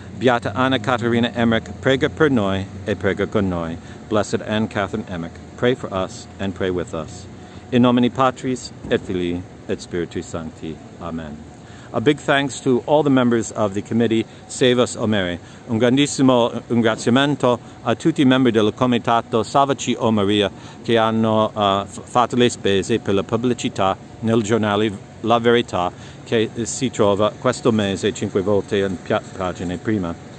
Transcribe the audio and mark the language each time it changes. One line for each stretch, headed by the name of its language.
Italian: Beata Anna Caterina Emmerich, prega per noi e prega con noi.
English: Blessed Anne Catherine Emmerich, pray for us and pray with us.
Latin: In nomine Patris, et Filii, et Spiritui Sancti. Amen.
English: A big thanks to all the members of the committee, Save Us, O Mary.
Italian: Un grandissimo ringraziamento a tutti i membri del comitato Salvaci, O Maria, che hanno fatto le spese per la pubblicità nel giornale La Verità, che si trova questo mese 5 volte in pagine prima.